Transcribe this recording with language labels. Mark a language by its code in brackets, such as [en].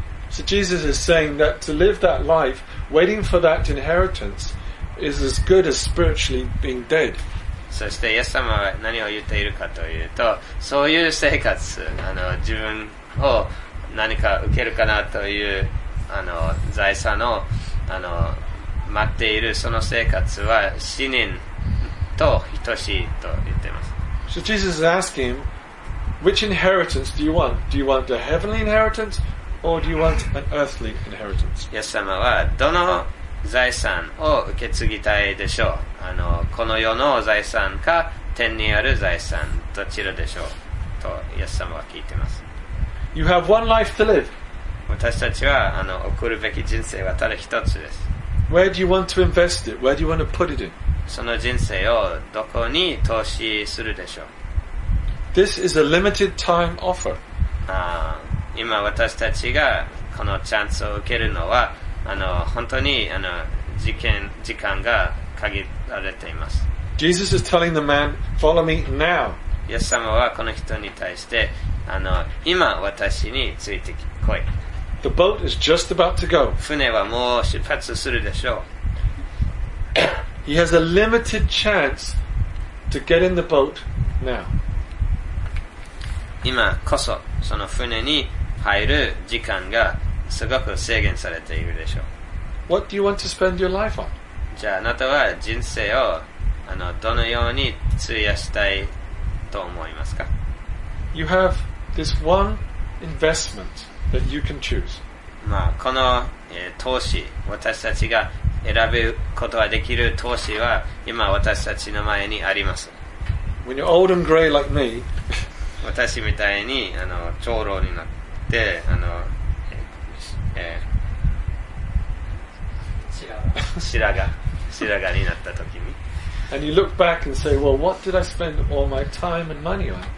[en] So Jesus is saying that to live that life, waiting for that inheritance, is as good as spiritually being dead. [ja] そしてイエス様は何を言っているかというと、そういう生活、自分を何か受けるかなという財産を待っているその生活は死人と等しいと言っています。 [en] So Jesus is asking him, which inheritance do you want? Do you want the heavenly inheritance? Or do you want an earthly inheritance? [ja] イエス様はどの財産を受け継ぎたいでしょう。この世の財産か天にある財産、どちらでしょう。とイエス様は聞いています。 [en] You have one life to live. [ja] 私たちは送るべき人生はただ一つです。 [en] Where do you want to invest it? Where do you want to put it in? [ja] その人生をどこに投資するでしょう。 [en] This is a limited time offer. [ja] 今私たちがこのチャンスを受けるのは本当に時間が限られています。 [en] Jesus is telling the man, follow me now. [ja] イエス様はこの人に対して今私について来い。 [en] The boat is just about to go. [ja] 船はもう出発するでしょう。 [en] He has a limited chance to get in the boat now. [ja] 今こそその船に入る時間がすごく制限されているでしょう。 [en] What do you want to spend your life on? [ja] じゃああなたは人生をどのように費やしたいと思いますか? [en] You have this one investment that you can choose. [ja] この、投資、私たちが選ぶことができる投資は今私たちの前にあります。 [en] When you're old and gray like me, [ja] 私みたいに長老になって、白髪になった時に。 [en] And you look back and say, well, what did I spend all my time and money on?